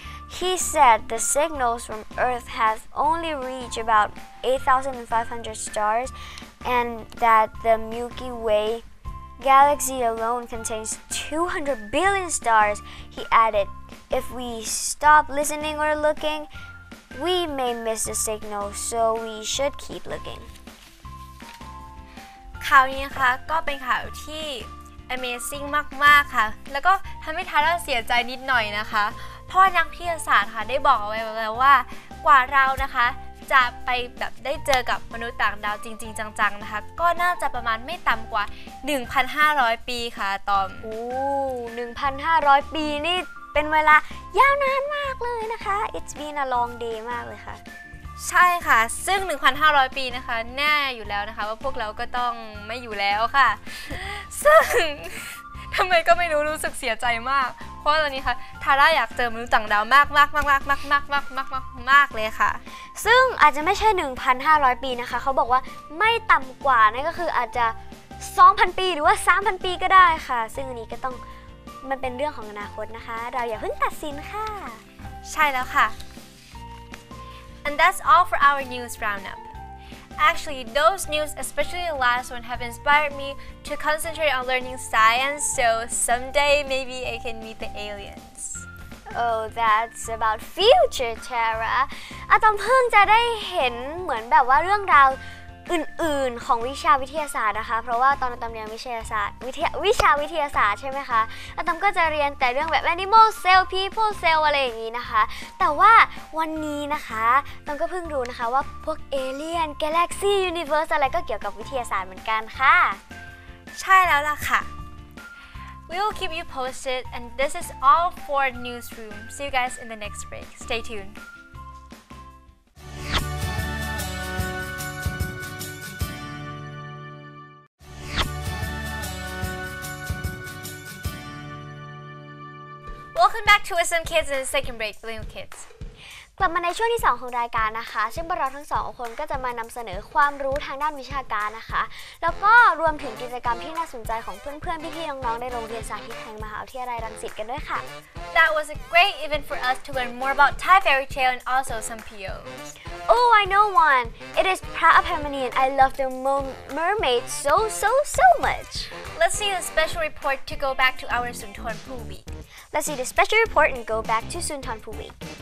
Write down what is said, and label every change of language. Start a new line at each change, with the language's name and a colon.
English: He said the signals from Earth have only reached about 8,500 stars and that the Milky Way galaxy alone contains 200 billion stars. He added, if we stop listening or looking, we may miss the signal, so we should keep looking.
Thai: ข่าวนี้นะคะก็เป็นข่าวที่ amazing มากๆค่ะแล้วก็ทำให้ทาร่าเสียใจนิดหน่อยนะคะเพราะนักวิทยาศาสตร์ค่ะได้บอกเอาไว้แล้วว่ากว่าเรานะคะจะไปแบบได้เจอกับมนุษย์ต่างดาวจริงๆจังๆนะคะก็น่าจะประมาณไม่ต่ำกว่า 1,500 ปีค่ะตอม โอ้ 1,500 ปีนี่เป็นเวลายาวนานมากเลยนะคะ
English: It's been a long day
Thai: มากเลยค่ะ ใช่ค่ะซึ่ง 1,500 ปีนะคะแน่อยู่แล้วนะคะว่าพวกเราก็ต้องไม่อยู่แล้วค่ะซึ่งทำไมก็ไม่รู้รู้สึกเสียใจมากเพราะตอนนี้ค่ะทาร่าอยากเจอมนุษย์ต่างดาวมากมากมากมากมากมากมากมากมากมากเลยค่ะ ซึ่งอาจจะไม่ใช่ 1,500 ปีนะคะเขาบอกว่าไม่ต่ำกว่านั่นก็คืออาจจะ 2,000 ปีหรือว่า 3,000 ปีก็ได้ค่ะซึ่งอันนี้ก็ต้องมันเป็นเรื่องของอนาคตนะคะเราอย่าเพิ่งตัดสินค่ะ ใช่แล้วค่ะ
English: and that's all for our news roundupActually, those news, especially the last one, have inspired me to concentrate on learning science, so someday maybe I can meet the aliens. Oh, that's about future, Tara.
Thai: อาตอมเพิ่งจะได้เห็นเหมือนแบบว่าเรื่องราว อื่นๆของวิชาวิทยาศาสตร์นะคะเพราะว่าตอนตำเรียนวิทยาศาสตร์วิชาวิทยาศาสตร์ใช่ไหมคะแล้วตำก็จะเรียนแต่เรื่องแบบ animal cell people cell อะไรอย่างนี้นะคะแต่ว่าวันนี้นะคะตำก็เพิ่งรู้นะคะว่าพวก alien galaxy universe อะไรก็เกี่ยวกับวิทยาศาสตร์เหมือนกันค่ะ ใช่แล้วล่ะค่ะ
English: We will keep you posted and this is all for newsroom see you guys in the next break stay tunedWelcome back to Wisdom Kids in the second break, Blue Kids.
Thai: กลับมาในช่วงที่2ของรายการนะคะซึ่งพวกเราทั้ง2คนก็จะมานำเสนอความรู้ทางด้านวิชาการนะคะแล้วก็รวมถึงกิจกรรมที่น่าสนใจของเพื่อนๆพี่ๆน้องๆในโรงเรียนสาธิตแห่งมหาวิทยาลัยรังสิตกันด้วยค่ะ
English: That was a great event for us to learn more about Thai fairy tale and also some POs. Oh, I know one. It is Praapemini and I love the mermaid so much. Let's see the special report to go back to our Suntorn Pool Week. Let's see the special report and go back to Suntorn Pool Week.